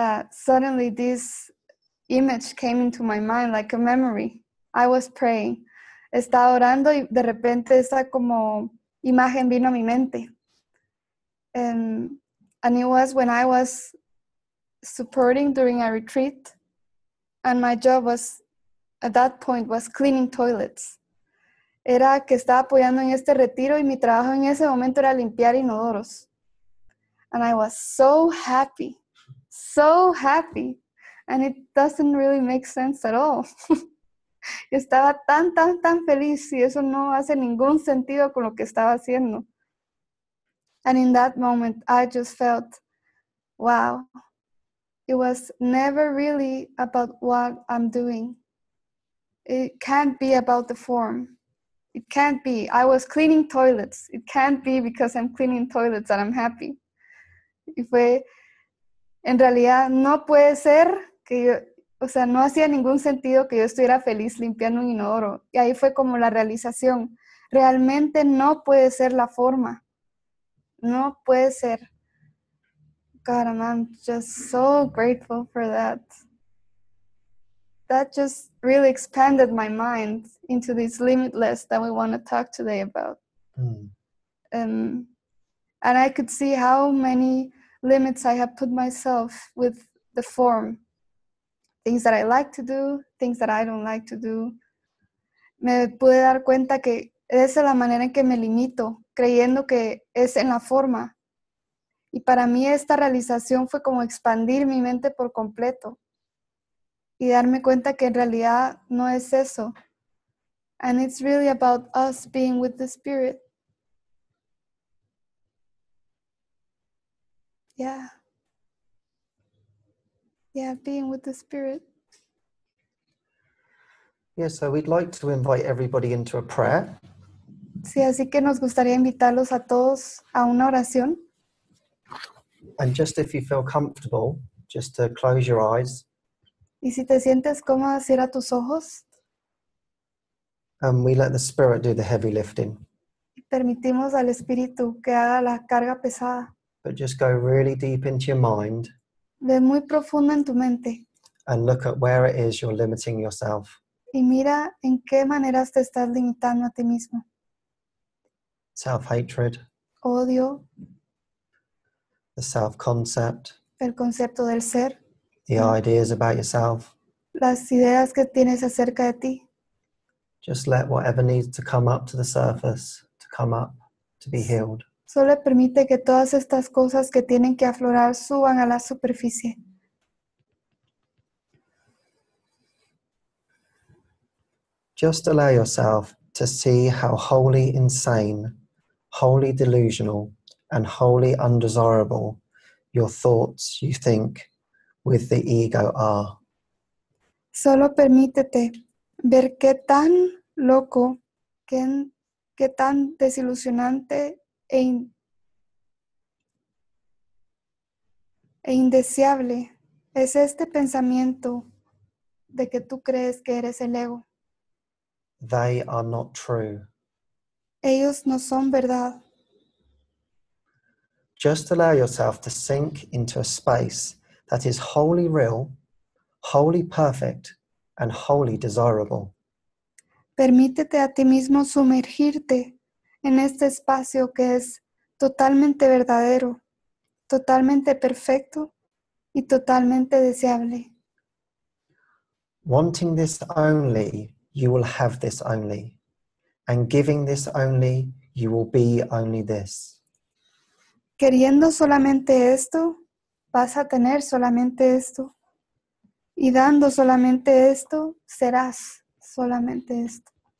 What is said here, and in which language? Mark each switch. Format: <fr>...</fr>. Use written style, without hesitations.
<en>Suddenly this image came into my mind like a memory. I was praying.</en> <es>Estaba orando y de repente esa como imagen vino a mi mente.</es> <en>And it was when I was supporting during a retreat. And my job was, at that point, was cleaning toilets.</en> <es>Era que estaba apoyando en este retiro y mi trabajo en ese momento era limpiar inodoros.</es> <en>And I was so happy. So happy. And it doesn't really make sense at all.</en> <es>Estaba tan, tan, tan feliz y eso no hace ningún sentido con lo que estaba haciendo.</es> <en>And in that moment, I just felt, wow. It was never really about what I'm doing. It can't be about the form. It can't be. I was cleaning toilets. It can't be because I'm cleaning toilets and I'm happy.</en> <es>Y fue, En realidad no puede ser que yo, o sea, no hacía ningún sentido que yo estuviera feliz limpiando un inodoro. Y ahí fue como la realización. Realmente no puede ser la forma. No puede ser.</es> <en>God, and I'm just so grateful for that. That just really expanded my mind into this limitless that we want to talk today about. Mm. And I could see how many limits I have put myself with the form. Things that I like to do, things that I don't like to do.</en> <es>Me pude dar cuenta que esa es la manera en que me limito, creyendo que es en la forma. Y para mí esta realización fue como expandir mi mente por completo y darme cuenta que en realidad no es eso.</es> <en>And it's really about us being with the Spirit. Yeah. Yeah, being with the Spirit. Yeah, so we'd like to invite everybody into a prayer.</en> <es>Sí, así que nos gustaría invitarlos a todos a una oración.</es> <en>And just if you feel comfortable, just to close your eyes.</en> <es>Y si te sientes cómoda, cierra tus ojos.</es> <en>And we let the Spirit do the heavy lifting.</en> <es>Y permitimos al Espíritu que haga la carga pesada.</es> <en>But just go really deep into your mind.</en> <es>Ve muy profundo en tu mente.</es> <en>And look at where it is you're limiting yourself.</en> <es>Y mira en qué maneras te estás limitando a ti mismo.</es> <en>Self-hatred.</en> <es>Odio.</es> <en>The self-concept.</en> <es>El concepto del ser.</es> <en>The ideas about yourself.</en> <es>Las ideas que tienes acerca de ti.</es> <en>Just let whatever needs to come up to the surface, to come up, to be healed.</en> <es>Solo permite que todas estas cosas que tienen que aflorar suban a la superficie.</es> <en>Just allow yourself to see how wholly insane, wholly delusional, and wholly undesirable your thoughts you think with the ego are.</en> <es>Solo permítete ver qué tan loco, qué tan desilusionante e indeseable es este pensamiento de que tú crees que eres el ego.</es> <en>They are not true.</en> <es>Ellos no son verdad.</es> <en>Just allow yourself to sink into a space that is wholly real, wholly perfect, and wholly desirable.</en> <es>Permítete a ti mismo sumergirte en este espacio que es totalmente verdadero, totalmente perfecto y totalmente deseable.</es> <en>Wanting this only, you will have this only. And giving this only, you will be only this.</en> <es>Queriendo solamente esto, vas a tener solamente esto. Y dando solamente esto, serás solamente esto.</es>